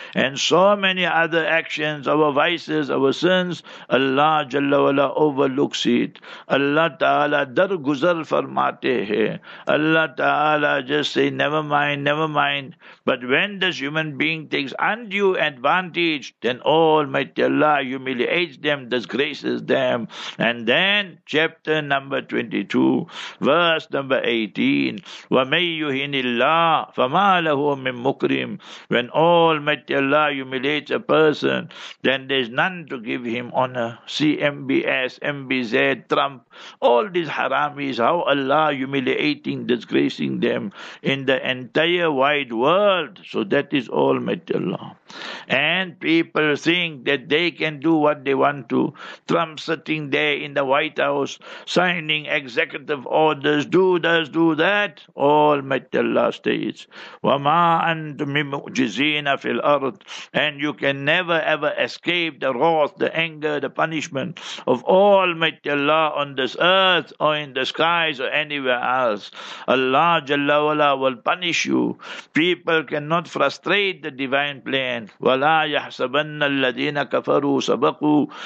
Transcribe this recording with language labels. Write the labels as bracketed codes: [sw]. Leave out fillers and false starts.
[en] And so many other actions, our vices, our sins, Allah Jalla Wala overlooks it. [ur] Allah Ta'ala dar guzar farmate hai. [en] Allah Ta'ala just say, never mind, never mind. But when this human being takes undue advantage, then Almighty Allah humiliates them, disgraces them. And then, chapter number 22, verse number 18, [ar] وَمَنْ يُهِنِ اللَّهِ فَمَا لَهُ مِنْ مُكْرِمٍ. [en] When Almighty Allah humiliates a person, then there's none to give him honor. CMBS, MBZ, Trump, all these haramis, how Allah humiliating, disgracing them in the entire wide world. So that is Almighty Allah. And people think that they can do what they want to. Trump sitting there in the White House, signing executive orders, do this, do that. Almighty Allah states, [ar] وَمَا أَنْتُمْ مُعْجِزِينَ فِي الْأَرْضِ. [en] And you can never ever escape the wrath, the anger, the punishment of Almighty Allah on this earth or in the skies or anywhere else. Allah Jalla Wala will punish you. People cannot frustrate the divine plan. [ar] وَلَا يَحْسَبَنَّ الَّذِينَ كَفَرُوا سَبَقُوا.